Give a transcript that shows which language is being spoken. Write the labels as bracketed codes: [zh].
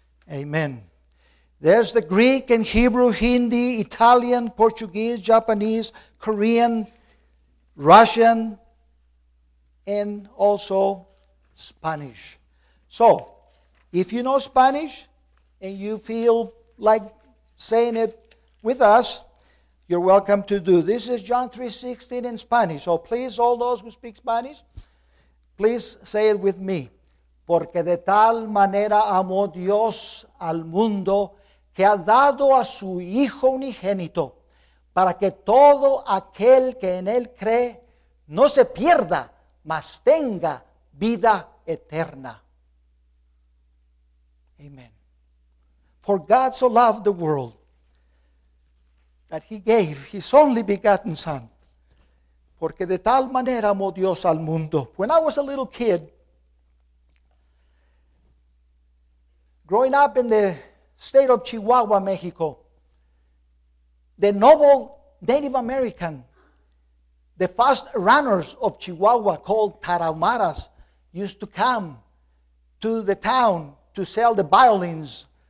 [en] Amen. There's the Greek and Hebrew, Hindi, Italian, Portuguese, Japanese, Korean, Russian, and also Spanish. So, if you know Spanish and you feel like saying it with us, you're welcome to do. This is John 3:16 in Spanish. So please, all those who speak Spanish, please say it with me. [es] Porque de tal manera amó Dios al mundo que ha dado a su Hijo unigénito para que todo aquel que en él cree no se pierda, mas tenga vida eterna. [en] Amen. For God so loved the world that he gave his only begotten Son. [es] Porque de tal manera amó Dios al mundo. [en] When I was a little kid, growing up in the state of Chihuahua, Mexico, the noble Native American, the fast runners of Chihuahua called Tarahumaras, used to come to the town to sell the violins.